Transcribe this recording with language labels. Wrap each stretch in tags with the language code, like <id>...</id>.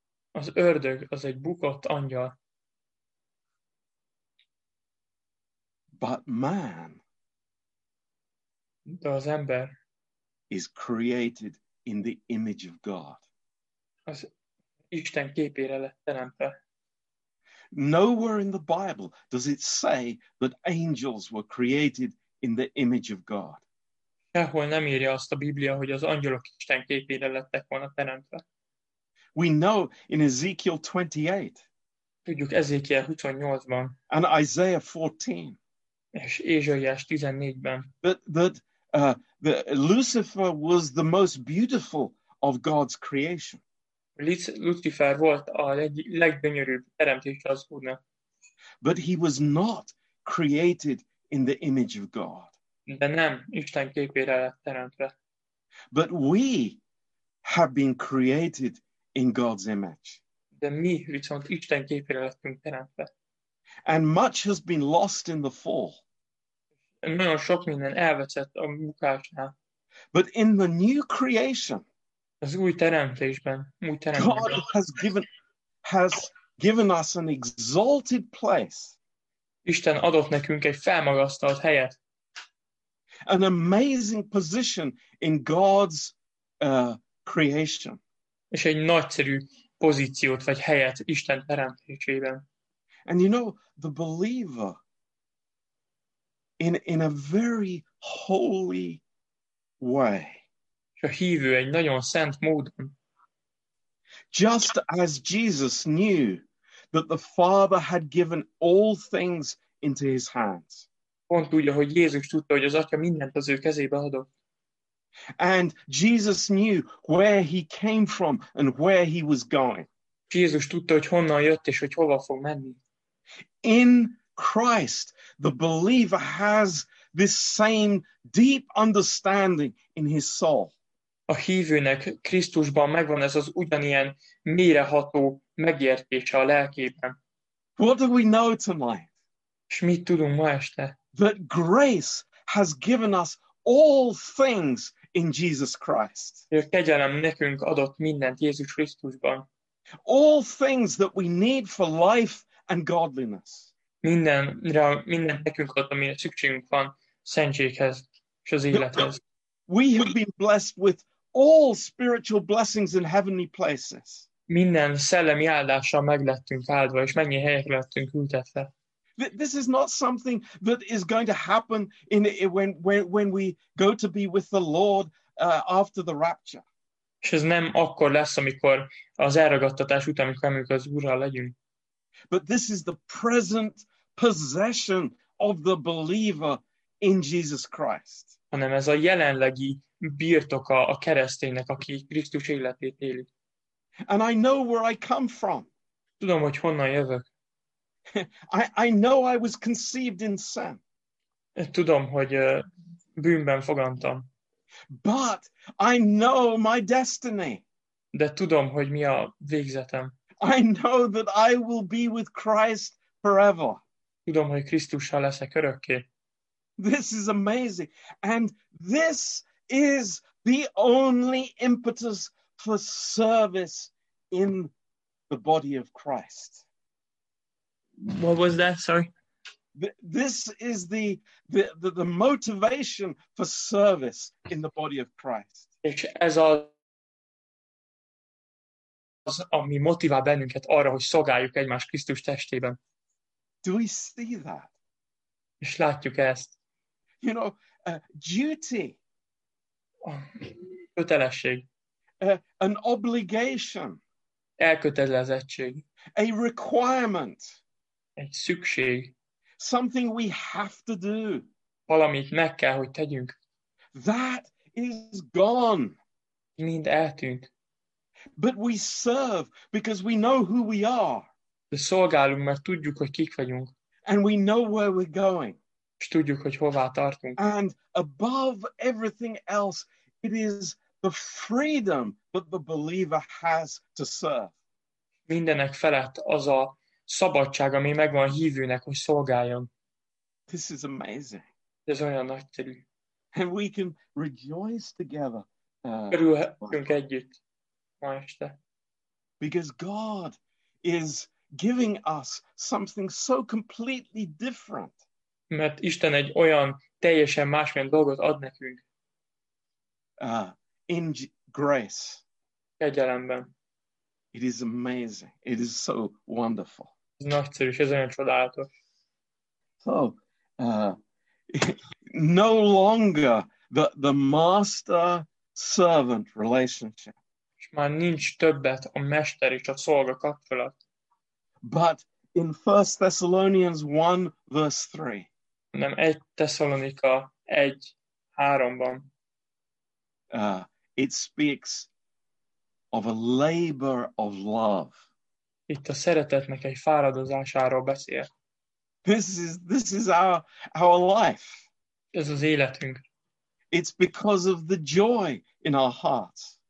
<hu>Az ördög az egy bukott angyal.</hu> <en>But man,</en> <hu>de az ember,</hu> <en>is created in the image of God.</en> <hu>Az Isten képére lett teremtve.</hu> <en>Nowhere in the Bible does it say that angels were created in the image of God.</en> <hu>Sehol nem írja azt a Biblia, hogy az angyolok Isten képére lettek volna teremtve.</hu> <en>We know in Ezekiel 28.</en> <hu>Tudjuk Ezekiel 28-ban.</hu> <en>And Isaiah 14.</en> <hu>És Ézsaiás 14-ben.</hu> <en>That Lucifer was the most beautiful of God's creation.</en> <hu>Lucifer volt a leggyönyörűbb teremtés az Úrnak.</hu> <en>But he was not created in the image of God.</en> <hu>De nem Isten képére lett teremtve.</hu> <en>But we have been created in God's image.</en> <hu>De mi viszont Isten képére lettünk teremtve.</hu> <en>And much has been lost in the fall.</en> <hu>Nagyon sok minden elveszett a bukásnál.</hu> <en>But in the new creation,</en> <hu>az új teremtésben, új teremtésben,</hu> <en>God has given us an exalted place.</en> <hu>Isten adott nekünk egy felmagasztalt helyet.</hu> <en>An amazing position in God's creation.</en> <hu>És egy nagyszerű pozíciót vagy helyet Isten teremtésében.</hu> <en>And you know, the believer in a very holy way.</en> <hu>És a hívő egy nagyon szent módon.</hu> <en>Just as Jesus knew that the Father had given all things into his hands.</en> <hu>Pont úgy, ahogy Jézus tudta, hogy az Atya mindent az ő kezébe adott.</hu> <en>And Jesus knew where he came from and where he was going.</en> <hu>Jézus tudta, hogy honnan jött és hogy hova fog menni.</hu> <en>In Christ, the believer has this same deep understanding in his soul.</en> <hu>A hívőnek Krisztusban megvan ez az ugyanilyen méreható megértése a lelkében.</hu> <en>What do we know tonight?</en> <hu>És mit tudunk ma este?</hu> <en>That grace has given us all things in Jesus Christ.</en> <hu>A kegyelem nekünk adott mindent Jézus Krisztusban.</hu> <en>All things that we need for life and godliness.</en> <hu>Minden nekünk ad, amire szükségünk van szentséghez és az élethez.</hu> <en>We have been blessed with all spiritual blessings in heavenly places.</en> <hu>Minden szellemi áldással meglettünk áldva, és mennyi helyekre lettünk ültetve.</hu> <en>This is not something that is going to happen in when we go to be with the Lord after the rapture.</en> <hu>És ez nem akkor lesz, amikor az elragadtatás után, amikor az Úrral legyünk.</hu> <en>But this is the present possession of the believer in Jesus Christ.</en> <hu>Hanem ez a jelenlegi birtoka a kereszténynek, aki Krisztus életét éli.</hu> <en>And I know where I come from.</en> <hu>Tudom, hogy honnan jövök.</hu> <en>I know I was conceived in sin.</en> <hu>Tudom, hogy bűnben fogantam.</hu> <en>But I know my destiny.</en> <hu>De tudom, hogy mi a végzetem.</hu> <en>I know that I will be with Christ forever.</en> <hu>Tudom, hogy Krisztussal leszek örökké.</hu> <en>This is amazing. And this is the only impetus for service in the body of Christ. What was that? Sorry. This is the motivation for service in the body of Christ.</en> <hu>És ez az, ami motivál bennünket arra, hogy szolgáljuk egymást Krisztus testében.</hu> <en>Do we see that?</en> <hu>És látjuk ezt.</hu> <en>You know, duty.</en> <hu>Kötelesség.</hu> <en>An obligation.</en> <hu>Elkötelezettség.</hu> <en>A requirement.</en> <hu>Egy szükség.</hu> <en>Something we have to do.</en> <hu>Valamit meg kell, hogy tegyünk.</hu> <en>That is gone.</en> <hu>Mind eltűnt.</hu> <en>But we serve because we know who we are.</en> <hu>De szolgálunk, mert tudjuk, hogy kik vagyunk.</hu> <en>And we know where we're going.</en> <hu>És tudjuk, hogy hová tartunk.</hu> <en>And above everything else, it is the freedom, But the believer has to serve.</en> <hu>Mindenek felett az a szabadság, ami megvan a hívőnek, hogy szolgáljon.</hu> <en>This is amazing.</en> <hu>Ez olyan nagyszerű.</hu> <en>And we can rejoice together.</en> <hu>Örülhetünk együtt ma este.</hu> <en>Because God is giving us something so completely different.</en> <hu>Mert Isten egy olyan teljesen másmilyen dolgot ad nekünk.</hu> <en>In grace.</en> <hu>Kegyelemben.</hu> <en>It is amazing. It is so wonderful.</en> <hu>Ez nagyszerű, ez olyan csodálatos.</hu> <en>So, no longer the master-servant relationship.</en> <hu>És már nincs többet a mester és a szolga kapcsolat.</hu> <en>But in 1 Thessalonians 1 verse 3.</en> <hu>Nem, 1 Thessalonika 1:3-ban.</hu> <en>It speaks of a labor of love.</en> <hu>Itt a szeretetnek egy fáradozásáról beszél.</hu> <en>This is our life.</en> <hu>Ez az életünk.</hu> <en>It's because of the joy in our hearts.</en>